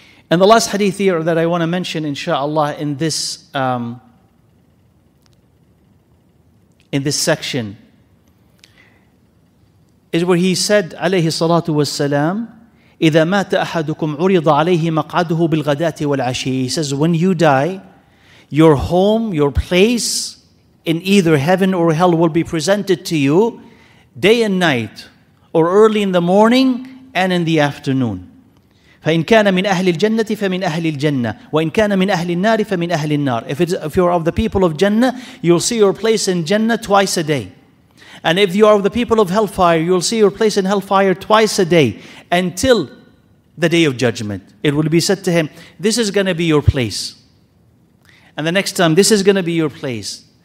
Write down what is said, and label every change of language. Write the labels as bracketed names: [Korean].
[English] And the last hadith here that I want to mention, inshallah, in this section, is where he said, alayhi salatu was salam, [Arabic] إذا مات أحدكم عرض عليه مقعده بالغداة والعشي. [English] He says, when you die, your home, your place in either heaven or hell will be presented to you day and night, or early in the morning and in the afternoon. [Arabic] فإن كان من أهل الجنة فمن أهل الجنة وإن كان من أهل النار فمن أهل النار. [English] If you are of the people of Jannah, you'll see your place in Jannah twice a day. And if you are of the people of hellfire, you'll see your place in hellfire twice a day until the day of judgment. It will be said to him, this is going to be your place. And the next time, this is going to be your place.